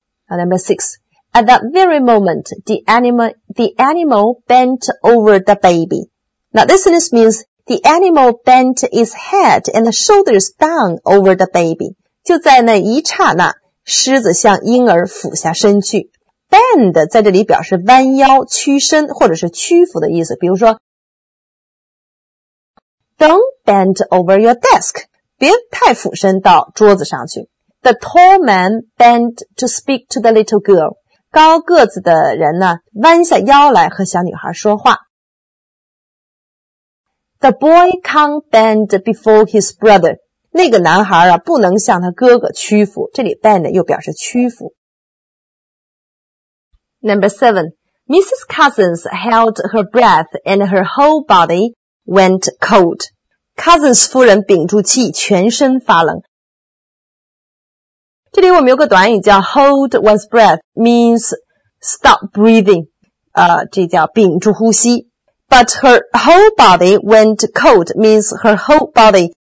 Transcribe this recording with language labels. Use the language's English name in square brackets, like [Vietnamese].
[English] Number six, at that very moment, the animal bent over the baby. Now this sentence means,The animal bent its head and shoulders down over the baby. [Chinese] 就在那一刹那，狮子向婴儿俯下身去。 Bend 在这里表示弯腰、屈身或者是屈服的意思。比如说 [English] Don't bend over your desk. [Chinese] 别太俯身到桌子上去。 [English] The tall man bent to speak to the little girl. [Chinese] 高个子的人呢，弯下腰来和小女孩说话。 [English] The boy can't bend before his brother. [Chinese] 那个男孩啊不能向他哥哥屈服，这里 bend 又表示屈服。 [English] Number seven, Mrs. Cousins held her breath and her whole body went cold. [Chinese] Cousins 夫人屏住气，全身发冷。这里我们有个短语叫 [English] hold one's breath, means stop breathing, [Chinese] 这叫屏住呼吸。 [English] But her whole body went cold means her whole body